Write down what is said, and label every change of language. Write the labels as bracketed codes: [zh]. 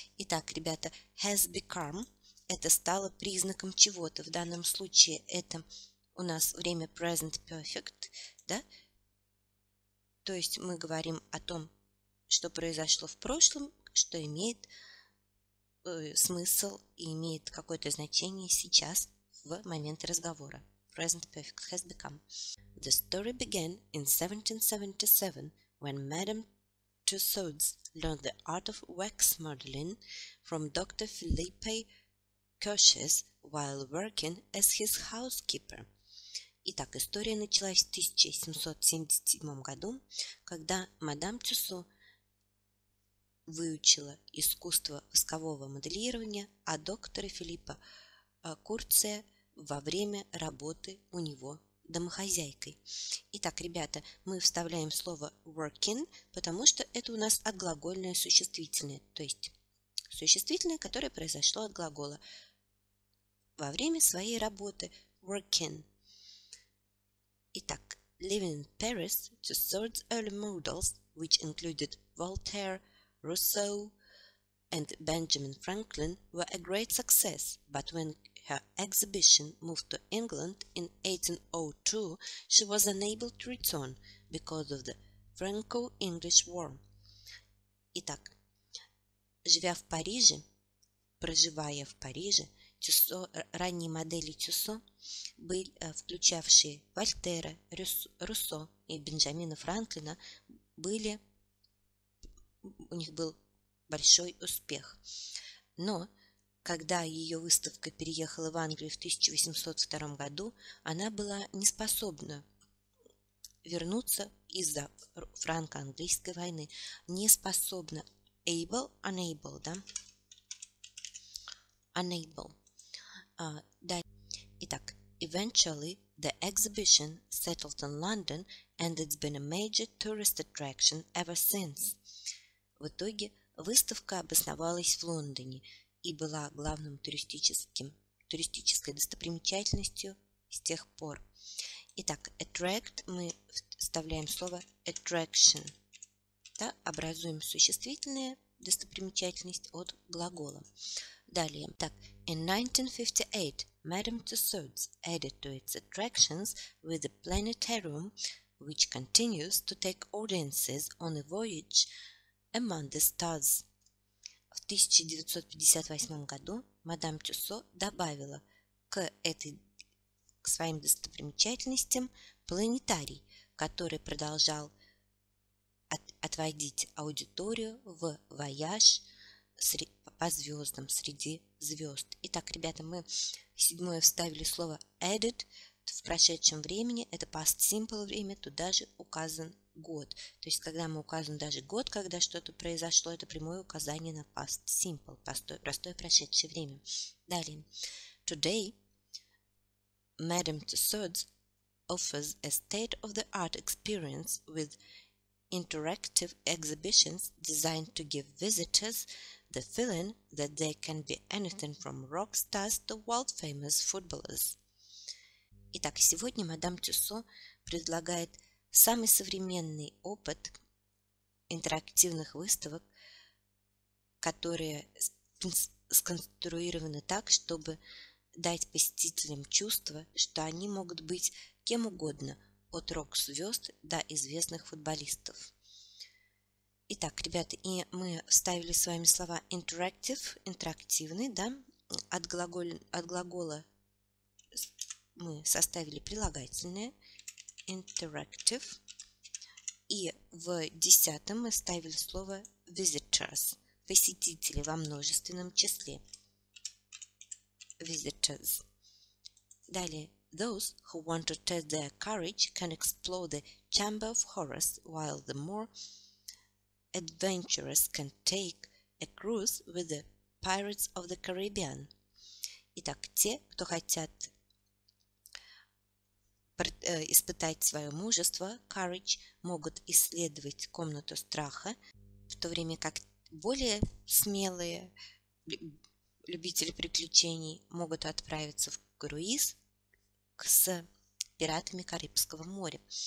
[ru] Итак, ребята, [en] has become [ru] – это стало признаком чего-то. В данном случае это у нас время present perfect, да? То есть мы говорим о том, что произошло в прошлом, что имеет смысл и имеет какое-то значение сейчас, в момент разговора. [en] Present perfect has become. The story began in 1777 when Madame Tussauds learned the art of wax modeling from Dr. Philippe Curches while working as his housekeeper. [ru] Итак, история началась в 1777 году, когда мадам Тюссо выучила искусство воскового моделирования от доктора Филиппа Курция во время работы у него домохозяйкой. Итак, ребята, мы вставляем слово working, потому что это у нас отглагольное существительное, то есть существительное, которое произошло от глагола во время своей работы working. [en] Итак, living in Paris, Tussauds' early models, which included Voltaire, Rousseau, and Benjamin Franklin, were a great success, but when her exhibition moved to England in 1802, she was unable to return because of the Franco-English War. [ru] Итак, живя в Париже, проживая в Париже, Тюссо, ранние модели Тюссо, были, включавшие Вольтера, Руссо и Бенджамина Франклина, были, у них был большой успех. Но когда ее выставка переехала в Англию в 1802 году, она была не способна вернуться из-за франко-английской войны. Не способна. [en] Able, unable, [ru] да? [en] Unable. Итак, eventually the exhibition settled in London and it's been a major tourist attraction ever since. [ru] В итоге выставка обосновалась в Лондоне и была главным туристической достопримечательностью с тех пор. Итак, attract, мы вставляем слово attraction. Да, образуем существительное достопримечательность от глагола. Далее. [en] Так, in 1958, Madame Tussauds added to its attractions with a planetarium, which continues to take audiences on a voyage among the stars. [ru] В 1958 году мадам Тюссо добавила к своим достопримечательностям планетарий, который продолжал отводить аудиторию в вояж по звездам, среди звезд. Итак, ребята, мы седьмое вставили слово added в прошедшем времени. Это past simple время, туда же указан год. То есть, когда мы указываем даже год, когда что-то произошло, это прямое указание на past simple, простое прошедшее время. Далее. [en] Today, Madame Tussauds offers a state-of-the-art experience with interactive exhibitions designed to give visitors the feeling that they can be anything from rock stars to world famous footballers. [ru] Итак, сегодня мадам Тюссо предлагает самый современный опыт интерактивных выставок, которые сконструированы так, чтобы дать посетителям чувство, что они могут быть кем угодно, от рок-звезд до известных футболистов. Итак, ребята, и мы вставили с вами слова interactive, интерактивный, да, от глагола мы составили прилагательное interactive, и в десятом мы ставили слово visitors, посетители во множественном числе. [en] Visitors. Далее. Those who want to test their courage can explore the Chamber of Horrors, while the more adventurous can take a cruise with the Pirates of the Caribbean. [ru] Итак, те, кто хотят испытать свое мужество, courage, могут исследовать комнату страха, в то время как более смелые любители приключений могут отправиться в круиз с пиратами Карибского моря.